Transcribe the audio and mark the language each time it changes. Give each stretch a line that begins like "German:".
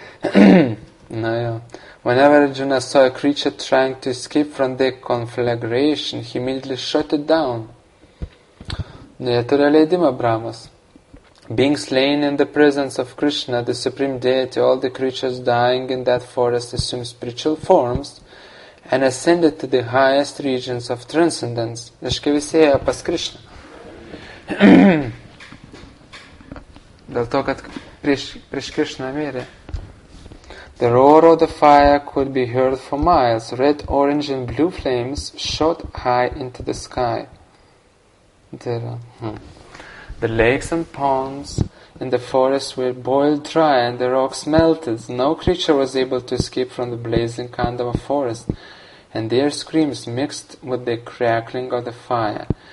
English: Whenever Arjuna saw a creature trying to escape from the conflagration, he immediately shot it down. Netura ledima brahmas. Being slain in the presence of Krishna, the supreme deity, all the creatures dying in that forest assumed spiritual forms and ascended to the highest regions of transcendence.
Lithuanian: Reiškia, visi ėjo pas Krishna. Dėl to, kad prieš Krishna mirė.
English: The roar of the fire could be heard for miles. Red, orange and blue flames shot high into the sky. The lakes and ponds in the forest were boiled dry and the rocks melted. No creature was able to escape from the blazing kind of a forest, and their screams mixed with the crackling of the fire.